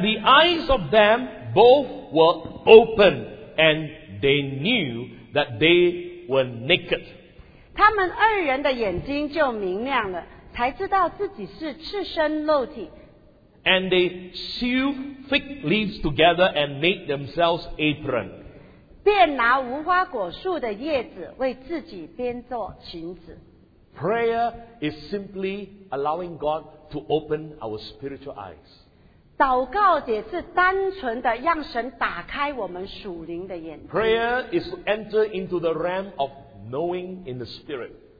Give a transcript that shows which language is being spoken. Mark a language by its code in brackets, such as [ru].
[en] the eyes of them both were open, and they knew that they were naked. [zh] 他们二人的眼睛就明亮了。 [en] And they sewed fig leaves together and made themselves apron. [zh] 便拿无花果树的叶子为自己编做裙子。 [en] Prayer is simply allowing God to open our spiritual eyes. [zh] 祷告也是单纯的让神打开我们属灵的眼睛。 [en] Prayer is to enter into the realm of knowing in the spirit.